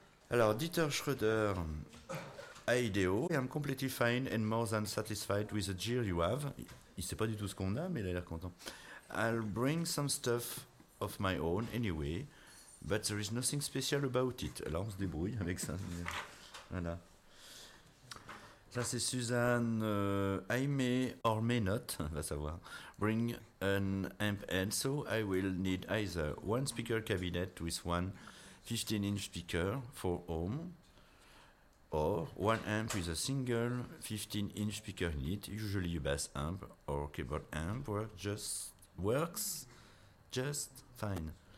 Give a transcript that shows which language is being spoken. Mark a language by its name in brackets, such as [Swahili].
[English] Alors, Dieter Schröder, AIDEO, I am completely fine and more than satisfied with the gear you have. [French] Il sait pas du tout ce qu'on a, mais il a l'air content. [English] I'll bring some stuff of my own anyway, but there is nothing special about it. [French] Là, on se débrouille avec ça. Voilà. Là, c'est Suzanne, [English] I may or may not, [French] on va savoir, [English] bring an amp and so I will need either one speaker cabinet with one 15-inch speaker for home, or one amp with a single 15-inch speaker in it, usually a bass amp or keyboard amp, works just fine.